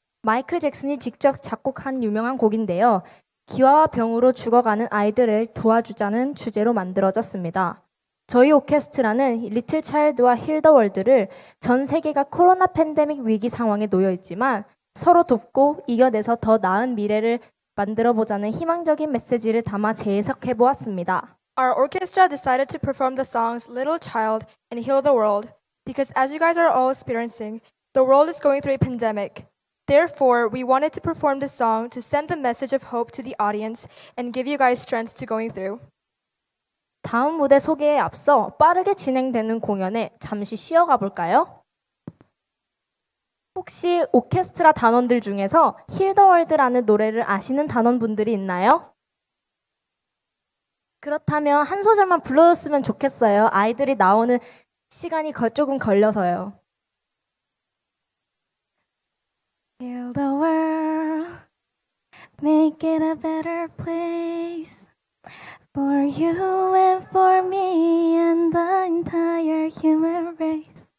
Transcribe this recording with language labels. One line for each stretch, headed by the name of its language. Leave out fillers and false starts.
Korean: 마이클 잭슨이 직접 작곡한 유명한 곡인데요. 기와와 병으로 죽어가는 아이들을 도와주자는 주제로 만들어졌습니다. 저희 오케스트라는 리틀 차일드와 힐 더 월드를 전 세계가 코로나 팬데믹 위기 상황에 놓여있지만 서로 돕고 이겨내서 더 나은 미래를 만들어보자는 희망적인 메시지를 담아 재해석해보았습니다.
English: Our orchestra decided to perform the songs Little Child and Heal the World because as you guys are all experiencing, the world is going through a pandemic. Therefore, we wanted to perform this song to send the message of hope to the audience and give you guys strength to going through.
Korean: 다음 무대 소개에 앞서 빠르게 진행되는 공연에 잠시 쉬어가 볼까요? 혹시 오케스트라 단원들 중에서 Heal the World라는 노래를 아시는 단원분들이 있나요? 그렇다면 한 소절만 불러줬으면 좋겠어요. 아이들이 나오는 시간이 조금 걸려서요.
English: Heal the world, make it a better place for you and for me and the entire human race.